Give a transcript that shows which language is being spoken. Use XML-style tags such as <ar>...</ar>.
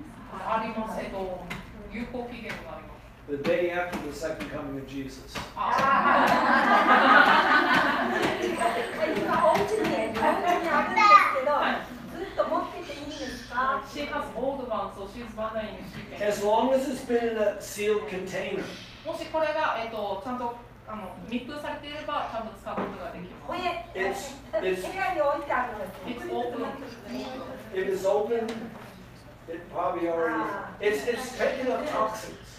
<ja>ありますけど、有効期限があります。</ja> <en>The day after the second coming of Jesus. She has old ones, so she's bothering me. As long as it's been in a sealed container.</en> <ja>もしこれがちゃんとあの密封されていれば、ちゃんと使うことができます。</ja> <en>It's open. If it's open, it probably already. It's taking up toxins.</en>